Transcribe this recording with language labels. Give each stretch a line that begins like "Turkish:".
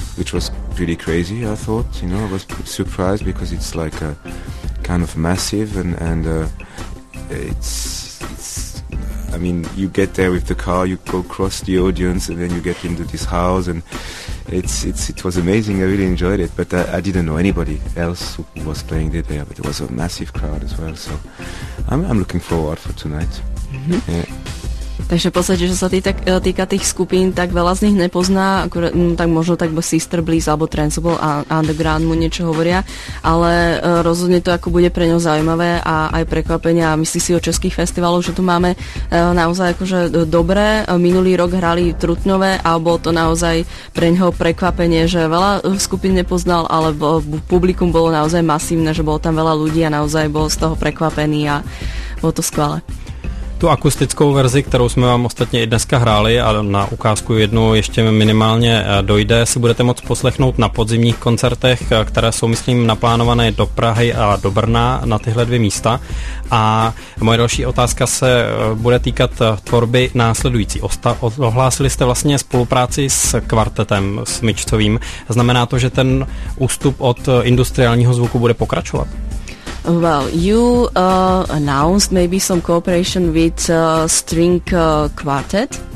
English: which was really crazy, I thought. You know, I was surprised because it's like a kind of massive and it's I mean, you get there with the car, you go across the audience, and then you get into this house, and it was amazing. I really enjoyed it, but I didn't know anybody else who was playing there. But it was a massive crowd as well, so I'm looking forward for tonight. Mm-hmm. Yeah.
Slovak: Takže v podstate, čo sa týka tých skupín, tak veľa z nich nepozná, tak možno Sister Bliss alebo Transible a Underground mu niečo hovoria, ale rozhodne to ako bude pre ňo zaujímavé a aj prekvapenia. Myslí si o českých festivaloch, že tu máme naozaj akože dobré. Minulý rok hrali Trutnove a bolo to naozaj pre ňoho prekvapenie, že veľa skupín nepoznal, ale publikum bolo naozaj masívne, že bolo tam veľa ľudí a naozaj bol z toho prekvapený a bolo to skvelé.
Czech: Tu akustickou verzi, kterou jsme vám ostatně i dneska hráli a na ukázku jednu ještě minimálně dojde, si budete moct poslechnout na podzimních koncertech, které jsou, myslím, naplánované do Prahy a do Brna na tyhle dvě místa. A moje další otázka se bude týkat tvorby následující. Ohlásili jste vlastně spolupráci s kvartetem, s Mičcovým. Znamená to, že ten ústup od industriálního zvuku bude pokračovat?
English: Well, you announced maybe some cooperation with string quartet.